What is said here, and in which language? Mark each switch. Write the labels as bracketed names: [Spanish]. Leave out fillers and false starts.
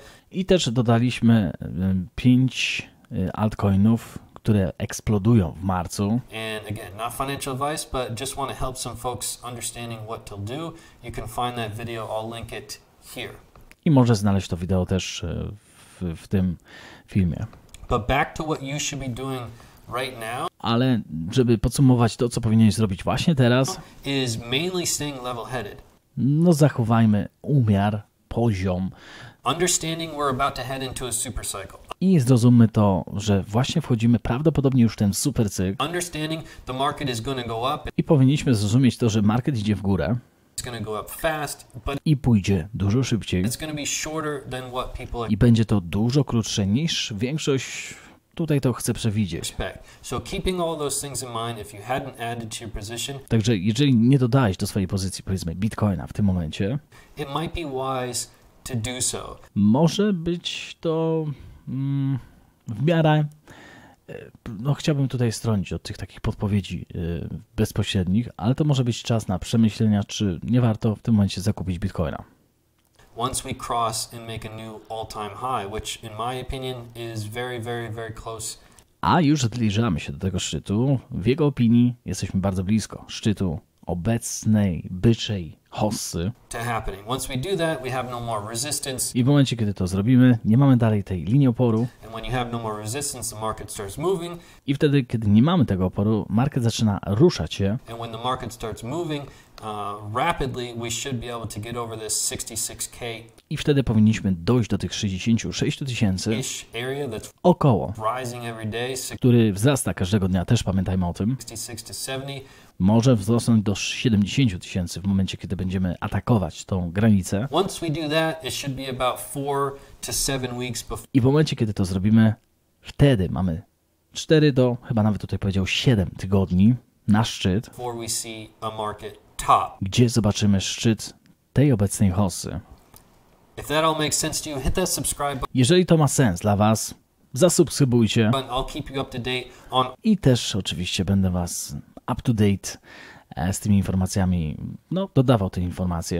[Polish] I też dodaliśmy 5 altcoinów, które eksplodują w marcu. [English] And again, not financial advice, but just want to help some folks understanding what to do. You can find that video, I'll link it here. [Polish] i możesz znaleźć to wideo też w tym filmie. [English] But back to what you should be doing right now. [Polish] Ale żeby podsumować to, co powinieneś zrobić właśnie teraz, [English] is mainly staying level-headed. [Polish] No zachowajmy umiar, poziom. [English] Understanding we're about to head into a super cycle. [Polish] I zrozummy to, że właśnie wchodzimy prawdopodobnie już w ten super cykl. [English] Understanding the market is gonna go up. [Polish] I powinniśmy zrozumieć to, że market idzie w górę. [English] It's gonna go up fast, but [Polish] i pójdzie dużo szybciej. [English] It's gonna be shorter than what people [Polish] i będzie to dużo krótsze niż większość tutaj to chce przewidzieć. [English] So keeping all those things in mind, if you hadn't added to your position, [Polish] także jeżeli nie dodałeś do swojej pozycji, powiedzmy, Bitcoina w tym momencie, [English] it might be wise to do so. [Polish] Może być to w miarę, no chciałbym tutaj stronić od tych takich podpowiedzi bezpośrednich, ale to może być czas na przemyślenia, czy nie warto w tym momencie zakupić Bitcoina. [English] Once we cross and make a new all-time high, which in my opinion is very, very, very close. [Polish] A już zbliżamy się do tego szczytu. W jego opinii jesteśmy bardzo blisko szczytu obecnej byczej hossy. [English] To happening. Once we do that, we have no more resistance. [Polish] I w momencie, kiedy to zrobimy, nie mamy dalej tej linii oporu. [English] And when you have no more resistance, the market starts moving. [Polish] I wtedy, kiedy nie mamy tego oporu, market zaczyna ruszać się. [English] And when the market starts moving rapidly, we should be able to get over this 66K. [Polish] I wtedy powinniśmy dojść do tych 66 tysięcy [English] area that's [Polish] około, [English] rising every day, [Polish] który wzrasta każdego dnia, też pamiętajmy o tym. [English] 66 to 70. [Polish] Może wzrosnąć do 70 tysięcy w momencie, kiedy będziemy atakować tą granicę. [English] Once we do that, it should be about 4 to 7 weeks [Polish] before. I w momencie, kiedy to zrobimy, wtedy mamy 4 do, chyba nawet tutaj powiedział 7 tygodni na szczyt, [English] before we see a market top, [Polish] gdzie zobaczymy szczyt tej obecnej hossy. [English] If that all makes sense to you, hit that subscribe button. [Polish] Jeżeli to ma sens dla was, zasubskrybujcie. [English] I'll keep you up to date on... [Polish] I też oczywiście będę was [English] up to date [Polish] z tymi informacjami, no, dodawał te informacje.